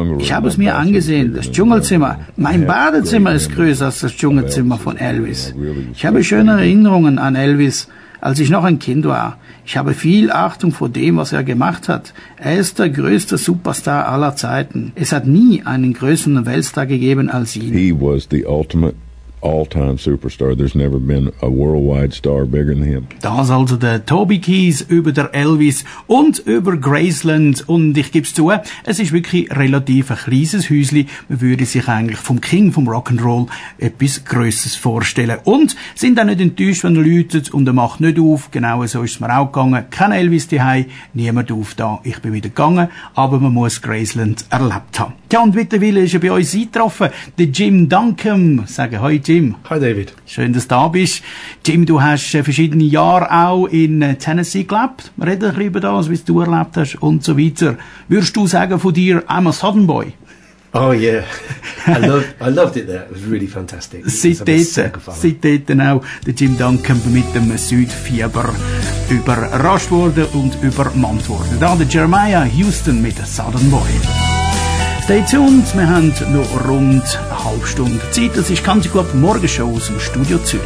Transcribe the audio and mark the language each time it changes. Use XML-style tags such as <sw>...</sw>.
<de>Ich habe es mir angesehen, das Dschungelzimmer. Mein Badezimmer ist größer als das Dschungelzimmer von Elvis. Ich habe schöne Erinnerungen an Elvis, als ich noch ein Kind war. Ich habe viel Achtung vor dem, was er gemacht hat. Er ist der größte Superstar aller Zeiten. Es hat nie einen größeren Weltstar gegeben als ihn.</de> <en>He was the ultimate all-time superstar. There's never been a worldwide star bigger than him.</en> <de>Das also der Toby Keith über der Elvis und über Graceland. Und ich gebe es zu, es ist wirklich relativ ein kleines Häuschen. Man würde sich eigentlich vom King vom Rock'n'Roll etwas Grösseres vorstellen. Und sind auch nicht enttäuscht, wenn er läutet und er macht nicht auf. Genau so ist es mir auch gegangen. Kein Elvis zuhause, niemand auf da. Ich bin wieder gegangen, aber man muss Graceland erlebt haben. Tja, und mittlerweile ist er bei uns eingetroffen. Der Jim Duncan, sage heute Jim.</de> <en>Hi David.</en> <de>Schön, dass du da bist. Jim, du hast verschiedene Jahre auch in Tennessee gelebt. Wir reden ein bisschen über das, wie du erlebt hast und so weiter. Würdest du sagen von dir,</de> <en>I'm a Southern Boy? Oh yeah, I loved it there. It was really fantastic.</en> <de>Seit dort auch der Jim Duncan mit dem Südfieber überrascht worden und übermannt worden. Da der Jeremiah Houston mit der Southern Boy. Stay tuned, wir haben noch rund eine halbe Stunde Zeit. Das ist Country Club Morgenshow aus dem Studio Zürich.</de>